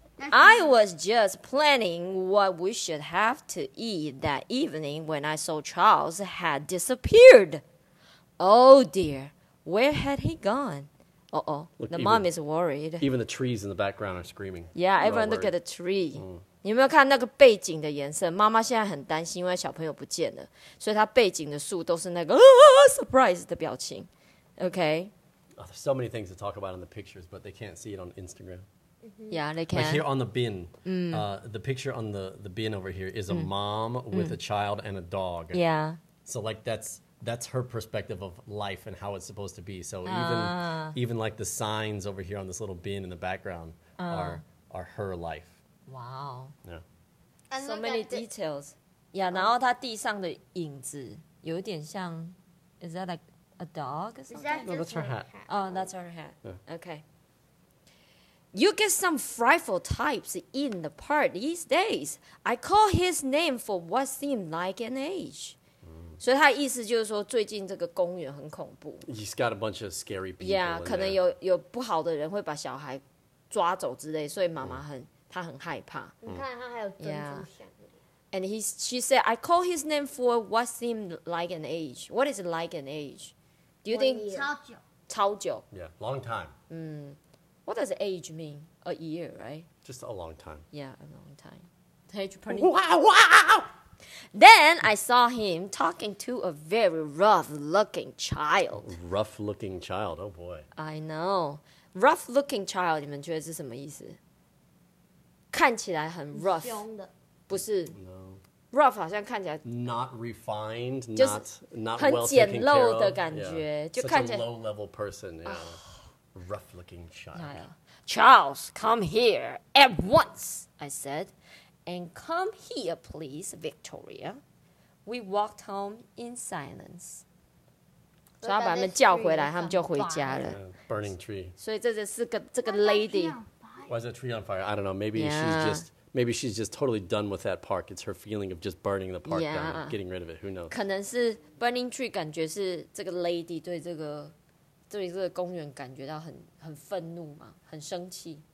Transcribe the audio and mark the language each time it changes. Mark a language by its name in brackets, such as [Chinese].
[English] I was just planning what we should have to eat that evening when I saw Charles had disappeared. Oh dear, where had he gone? Uh-oh, the mom is worried. Even the trees in the background are screaming. Yeah, everyone look at the tree. [Chinese] 你有没有看那个背景的颜色？妈妈现在很担心，因为小朋友不见了，所以她背景的树都是那个 surprise 的表情。 [English] Okay. Oh, there's so many things to talk about in the pictures, but they can't see it on Instagram. Mm-hmm. Yeah, they can. Like here on the bin, the picture on the bin over here is a mom with a child and a dog. Yeah. So like that's her perspective of life and how it's supposed to be. So even like the signs over here on this little bin in the background are her life. Wow. Yeah. And so many details. [Chinese] Yeah, 然后它地上的影子有点像 [English] is that like... A dog? Is that no, that's her hat. Oh, that's her hat. Yeah. Okay. You get some frightful types in the park these days. I call his name for what seemed like an age. So his [Chinese] 意思就是说最近这个公园很恐怖。 [English] He's got a bunch of scary people. [Chinese] Yeah, 可能有不好的人会把小孩抓走之类，所以妈妈她很害怕。你看他还有珍珠项链。 [English] And she said, I call his name for what seemed like an age. What is like an age? Do you think [Chinese] 超久？超久。 [English] Yeah, long time. What does age mean? A year, right? Just a long time. Yeah, a long time. Wow! Then I saw him talking to a very rough-looking child. Rough-looking child, oh boy. I know. Rough-looking child, [Chinese] 你们觉得是什么意思？看起来很 rough。凶的。不是。 No. Rough 好像看起来 [English] not refined, not well taken care of. [Chinese] 很简陋的感觉 [English] yeah, [Chinese] 就看起来 [English] such a low level person, yeah. Rough looking child. Charles, come here at once, I said. And come here, please, Victoria. We walked home in silence. [Chinese] 所以要把他们叫回来，他们就回家了。 [English] Burning tree. [Chinese] 所以这是四个这个 lady. [English] Why is the tree on fire? I don't know. Maybe she's just... Maybe she's just totally done with that park. It's her feeling of just burning the park down, getting rid of it. Who knows? [Chinese] 可能是 [English] burning tree [Chinese] 感觉是这个 lady 对这个公园感觉到很愤怒嘛，很生气。